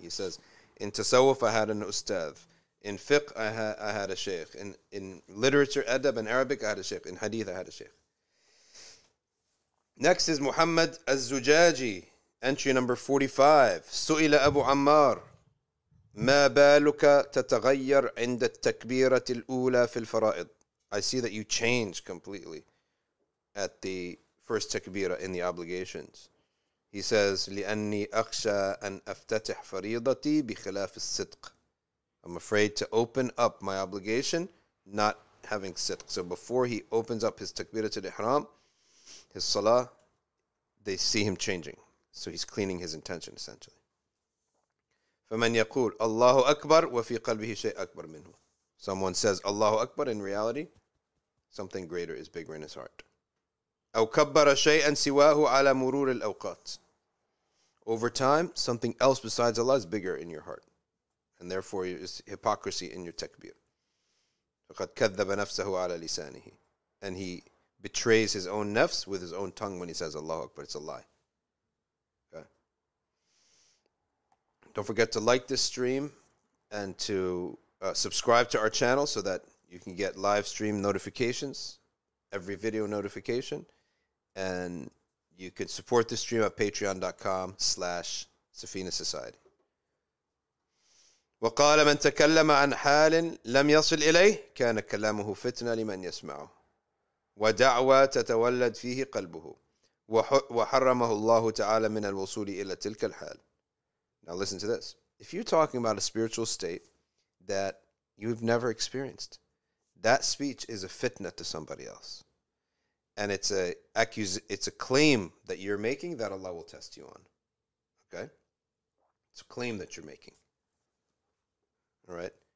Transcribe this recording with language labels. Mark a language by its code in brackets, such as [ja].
[en] He says, in tasawwuf I had an ustadh, in fiqh I had a sheikh, in literature, adab, and Arabic I had a sheikh, in hadith I had a sheikh. Next is Muhammad Az-Zujaji, entry number 45. [ar] سئل أبو عمار ما بالك تتغير عند التكبيرة الأولى في الفرائض. [en] I see that you change completely at the first takbira in the obligations. He says, [ar] لأني أخشى أن أفتتح فريضتي بخلاف الصدق. [en] I'm afraid to open up my obligation not having sidq. So before he opens up his takbira to the ihram, his salah, they see him changing. So he's cleaning his intention essentially. [ar] فمن يقول الله أكبر وفي قلبه شيء أكبر منه. [en] Someone says Allahu Akbar, in reality, something greater is bigger in his heart. [ar] أو كبر شيئا سواه على مرور الأوقات. [en] Over time, something else besides Allah is bigger in your heart. And therefore, is hypocrisy in your takbir. [ar] فقد كذب نفسه على لسانه. [en] And he betrays his own nafs with his own tongue when he says Allahu Akbar. It's a lie. Okay. Don't forget to like this stream and to subscribe to our channel so that you can get live stream notifications, every video notification. And you can support the stream at patreon.com/Safina Society. [ar] وقال من تكلم عن حال لم يصل إليه كان كلامه فتنة لمن يسمعه ودعوة تتولد فيه قلبه وحرمه الله تعالى من الوصول إلى تلك الحال. [en] Now listen to this. If you're talking about a spiritual state that you've never experienced, that speech is a fitna to somebody else. And it's a claim that you're making that Allah will test you on. Okay? It's a claim that you're making. All right?